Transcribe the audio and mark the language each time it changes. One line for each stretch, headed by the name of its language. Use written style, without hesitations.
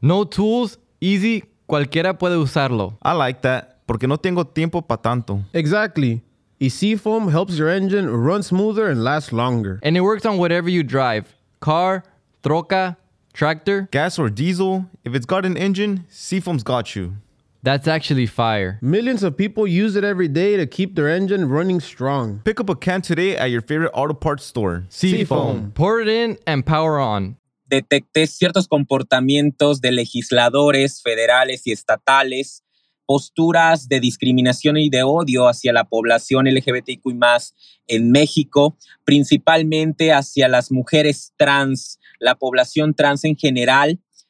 English: No tools, easy,
Spanish: cualquiera puede usarlo.
English: I like that,
Spanish: porque no tengo tiempo pa' tanto.
English: Exactly. Y Seafoam helps your engine run smoother and last longer. And it works on whatever you drive. Car, troca, tractor. Gas or diesel. If it's got an engine, Seafoam's got you. That's actually fire. Millions of people use it every day to keep their engine running strong. Pick up a can today at your favorite auto parts store. Seafoam. Pour it in and power on.
Spanish: Detecté ciertos comportamientos de legisladores federales y estatales, posturas de discriminación y de odio hacia la población LGBTIQ+, en México, principalmente hacia las mujeres trans, la población trans en general.